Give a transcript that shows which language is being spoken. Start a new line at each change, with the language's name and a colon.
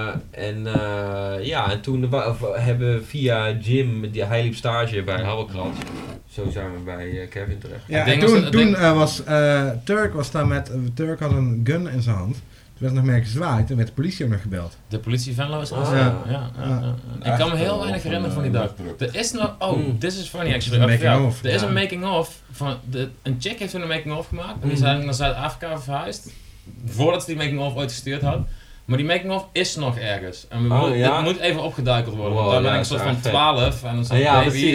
Dutch: En toen hebben we via Jim, hij liep stage bij Habbekrats, zo zijn we bij Kevin terecht. Ja, en Turk was daar met, Turk had een gun in zijn hand, toen werd nog meer gezwaaid en werd de politie ook nog gebeld. De politie Venlo is aan. Ik kan me heel weinig herinneren van die dag. Er is
English: this is funny actually.
Dutch: Is een making of, een chick heeft een making of gemaakt en die is eigenlijk naar Zuid-Afrika verhuisd, voordat ze die making of ooit gestuurd had. Maar die making of is nog ergens. En dit moet even opgeduikeld worden. Wow, want dan ben ik een soort van 12 en dan zeg ik baby.